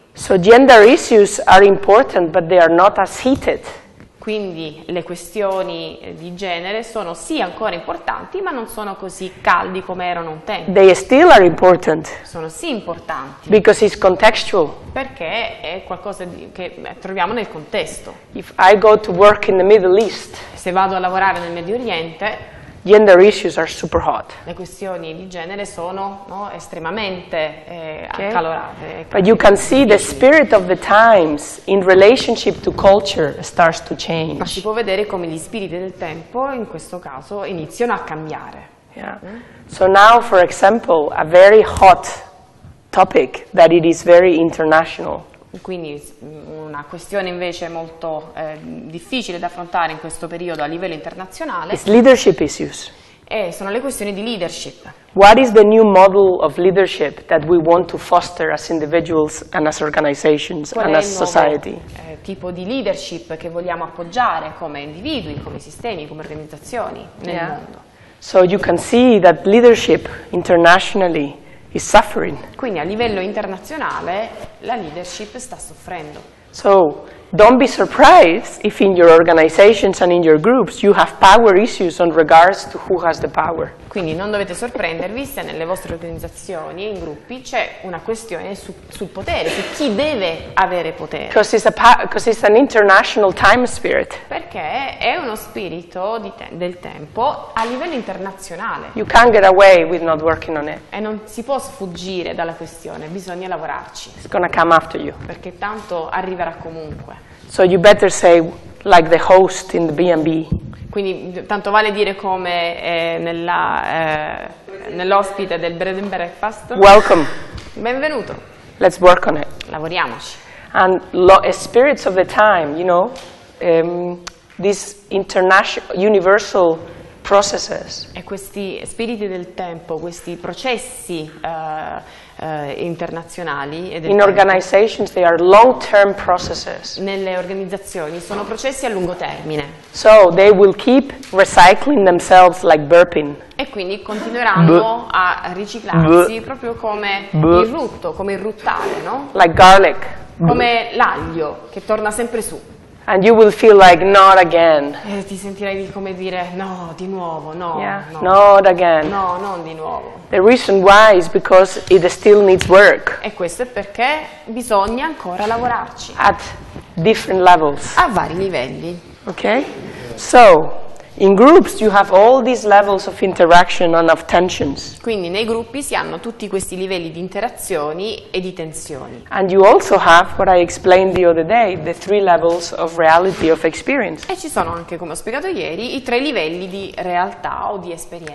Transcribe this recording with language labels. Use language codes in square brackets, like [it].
[en] So gender issues are important, but they are not as heated. [it] Quindi le questioni di genere sono sì ancora importanti, ma non sono così caldi come erano un tempo. [en] They still are important. [it] Sono sì importanti. [en] Because it's contextual. [it] Perché è qualcosa che troviamo nel contesto. [en] If I go to work in the Middle East, [it] se vado a lavorare nel Medio Oriente, [en] gender issues are super hot. [it] Le questioni di genere sono, no, estremamente accalorate. [en] But you can see the spirit of the times in relationship to culture starts to change. [it] Ma si può vedere come gli spiriti del tempo in questo caso iniziano a cambiare. [en] Yeah. So now, for example, a very hot topic that it is very international. [it] Quindi una questione invece molto difficile da affrontare in questo periodo a livello internazionale. [en] It's leadership issues. [it] Sono le questioni di leadership. [en] What is the new model of leadership that we want to foster as individuals and as organizations and as society? [it] Qual è il tipo di leadership che vogliamo appoggiare come individui, come sistemi, come organizzazioni nel mondo? [en] So you can see that leadership internationally is suffering. [it] Quindi a livello internazionale la leadership sta soffrendo. [en] So, don't be surprised if in your organizations and in your groups you have power issues in regards to who has the power. [it] Quindi non dovete sorprendervi se nelle vostre organizzazioni e in gruppi c'è una questione sul potere, su chi deve avere potere. [en] Because it's an international time spirit. [it] Perché è uno spirito del tempo a livello internazionale. [en] You can't get away with not working on it. [it] E non si può sfuggire dalla questione, bisogna lavorarci. [en] It's gonna come after you. [it] Perché tanto arriverà comunque. [en] So you better say like the host in the B&B. [it] Quindi tanto vale dire come nell'ospite del Bread and Breakfast. [en] Welcome. [it] Benvenuto. [en] Let's work on it. [it] Lavoriamoci. [en] And spirits of the time, you know, this international universal processes. [it] E questi spiriti del tempo, questi processi internazionali e del [en] in organizations they are long-term processes. [it] Nelle organizzazioni sono processi a lungo termine. [en] So they will keep recycling themselves like burping. [it] E quindi continueranno a riciclarsi proprio come il rutto, come il ruttare, no? [en] Like garlic. [it] Come l'aglio che torna sempre su. [en] And you will feel like not again. [it] E ti sentirai di come dire no, di nuovo, no, yeah. No. [en] Not again. [it] No, non di nuovo. [en] The reason why is because it still needs work. [it] E questo è perché bisogna ancora lavorarci. [en] At different levels. [it] A vari livelli. [en] Okay? So, in groups you have all these levels of interaction and of tensions. [it] Quindi nei gruppi si hanno tutti questi livelli di interazioni e di tensioni. [en] And you also have what I explained the other day, the three levels of reality of experience. [it] E ci sono anche, come ho spiegato ieri, i tre livelli di realtà o di esperienza.